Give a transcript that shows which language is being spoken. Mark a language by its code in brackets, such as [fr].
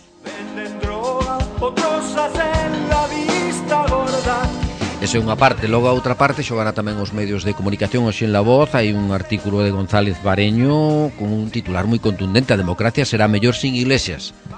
[es] Venden droga, otros hacen la vista gorda. [gl] Esa é unha parte. Logo a outra parte xogará tamén os medios de comunicación hoxe en La Voz. Hai un artículo de González Vareño con un titular moi contundente: a democracia será mellor sin Iglesias.